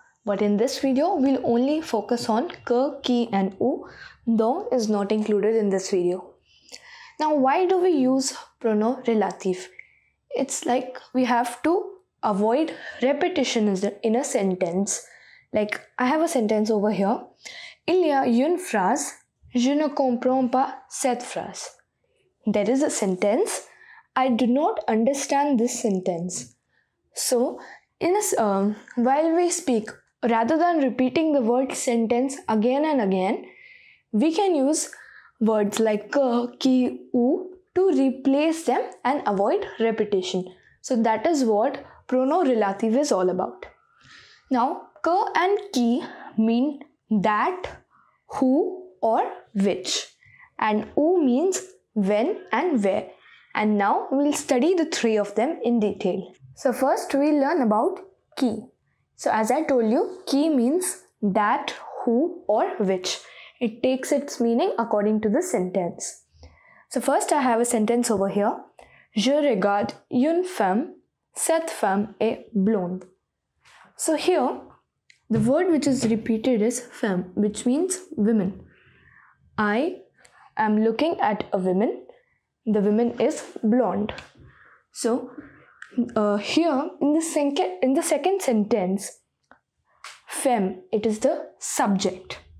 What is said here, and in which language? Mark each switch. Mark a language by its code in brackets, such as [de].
[en] But in this video, we'll only focus on que, qui and où. De is not included in this video. Now, why do we use pronoms relatifs? It's like we have to avoid repetition in a sentence. Like, I have a sentence over here. [fr] Il y a une phrase, je ne comprends pas cette phrase. [en] There is a sentence, I do not understand this sentence. So, while we speak, rather than repeating the word sentence again and again, we can use words like que, qui, où, to replace them and avoid repetition. So that is what pronoun relative is all about. Now, que and qui mean that, who or which. And où means when and where. And now we'll study the three of them in detail. So first we'll learn about qui. So as I told you, qui means that, who or which. It takes its meaning according to the sentence. So first I have a sentence over here. [fr] Je regarde une femme, cette femme est blonde. [en] So here, the word which is repeated is femme, which means women. I am looking at a woman. The woman is blonde. So here, in the second sentence, femme, it is the subject.